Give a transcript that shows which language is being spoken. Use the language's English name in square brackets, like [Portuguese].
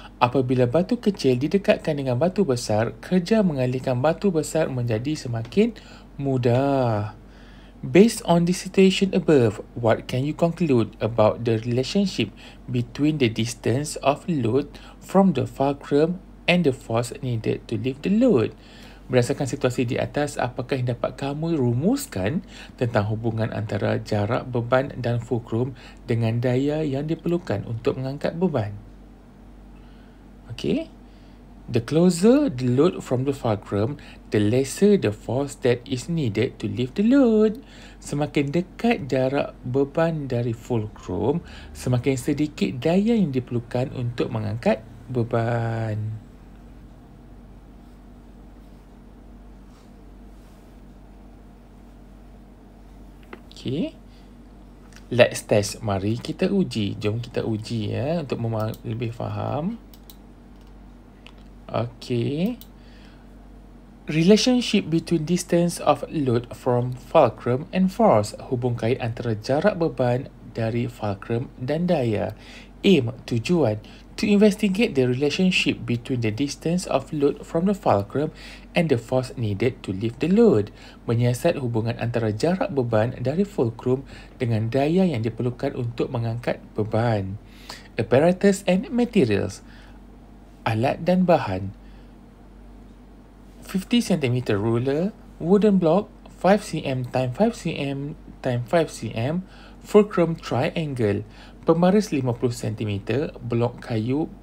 [Malay] Apabila batu kecil didekatkan dengan batu besar, kerja mengalihkan batu besar menjadi semakin mudah. [English] Based on the situation above, what can you conclude about the relationship between the distance of load from the fulcrum and the force needed to lift the load? [Malay] Berdasarkan situasi di atas, apakah yang dapat kamu rumuskan tentang hubungan antara jarak beban dan fulcrum dengan daya yang diperlukan untuk mengangkat beban? [English] Okay. The closer the load from the fulcrum, the lesser the force that is needed to lift the load. [Malay] Semakin dekat jarak beban dari fulcrum, semakin sedikit daya yang diperlukan untuk mengangkat beban. [English] Okay. Let's test. [Malay] Mari kita uji. Jom kita uji ya untuk lebih faham. [English] Okay. Relationship between distance of load from fulcrum and force. [Malay] Hubung kait antara jarak beban dari fulcrum dan daya. [English] Aim, [Malay] tujuan. [English] To investigate the relationship between the distance of load from the fulcrum and the force needed to lift the load. [Malay] Menyiasat hubungan antara jarak beban dari fulcrum dengan daya yang diperlukan untuk mengangkat beban. [English] Apparatus and materials. [Malay] Alat dan bahan. [English] 50cm ruler, wooden block, 5cm x 5cm x 5cm, fulcrum triangle, [Malay] pembaris 50cm, blok kayu